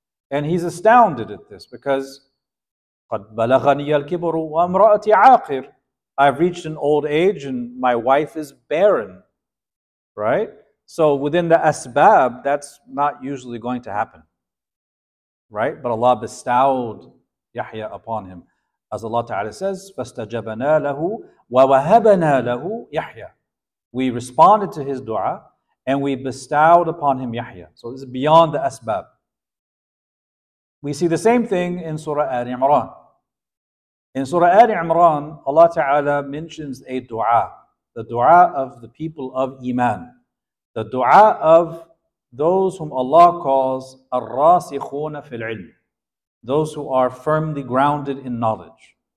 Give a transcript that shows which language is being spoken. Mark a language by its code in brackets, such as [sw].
[en] And he's astounded at this, because [ar] قَدْ بَلَغَنِيَ الْكِبُرُ وَأَمْرَأَتِي عَاقِرٌ. [en] I've reached an old age and my wife is barren, right? So within the asbab, that's not usually going to happen, right? But Allah bestowed Yahya upon him. As Allah Ta'ala says, [ar] فَاسْتَجَبَنَا لَهُ وَوَهَبَنَا لَهُ يَحْيَا. [en] We responded to his dua and we bestowed upon him Yahya. So this is beyond the asbab. We see the same thing in Surah Al-Imran. In Surah Al-Imran, Allah Ta'ala mentions a dua, the dua of the people of Iman, the dua of those whom Allah calls [ar] الرَّاسِخُونَ فِي الْعِلْمِ, [en] those who are firmly grounded in knowledge.